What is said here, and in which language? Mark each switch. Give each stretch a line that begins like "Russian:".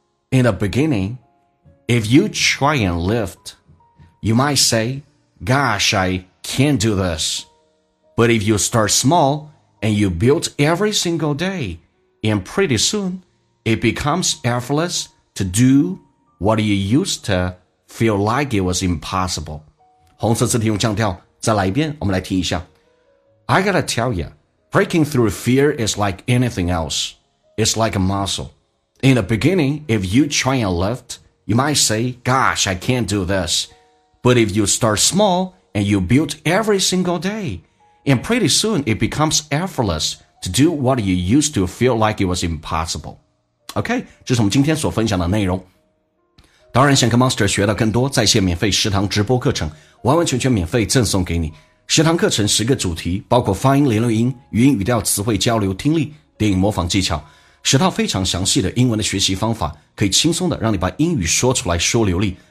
English: In the beginning, if you try and lift, you might say, gosh, I can't do this. But if you start small and you build every single day, and pretty soon, it becomes effortless to do what you used to feel like it was impossible.
Chinese: 红色字体用降调再来一遍，我们来听一下。
English: I gotta tell ya, breaking through fear is like anything else. It's like a muscle. In the beginning, if you try and lift, you might say, gosh, I can't do this. But if you start small and you build every single day, and pretty soon it becomes effortless to do what you used to feel like it was impossible. OK,
Chinese: 这是我们今天所分享的内容。当然想跟 Monster 学到更多在线免费食堂直播课程，完完全全免费赠送给你。食堂课程十个主题，包括发音、连录音、语音语调、词汇交流、听力、电影模仿技巧，十套非常详细的英文的学习方法，可以轻松的让你把英语说出来说流利。